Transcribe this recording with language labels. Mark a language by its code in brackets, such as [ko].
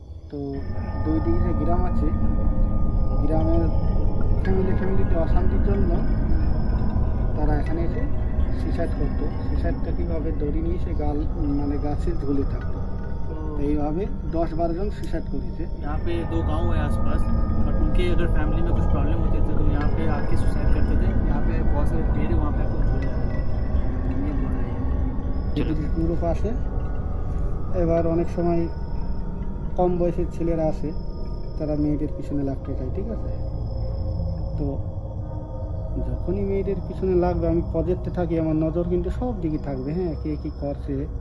[bn] তো দুই দিকে যে গ্রাম আছে, গ্রামের ফ্যামিলিতে অশান্তির জন্য তারা এখানে এসে সিসাইড করতো, সিসাইডটা কীভাবে দড়ি নিয়ে সে গাল মানে গাছে ঝুলে থাকতো। এইভাবে 10-12 জন সিসাইড করেছে। [hi] यहां पे दो गांव है आसपास, बट उनके अगर फैमिली में कुछ प्रॉब्लम होती थी तो यहां पे आके सुसाइड करते थे। यहां पे बहुत सारे पेड़ है, वहां पे कुछ हो जाए ये बोल रहे हैं। पूरे पासे [bn] এবার অনেক সময় কম বয়সের ছেলেরা আসে, তারা মেয়েদের পিছনে লাগতে চায়, ঠিক আছে। তো যখনই মেয়েদের পিছনে লাগবে আমি প্রজেক্টে থাকি, আমার নজর কিন্তু সব দিকে থাকবে, হ্যাঁ কে কী করছে।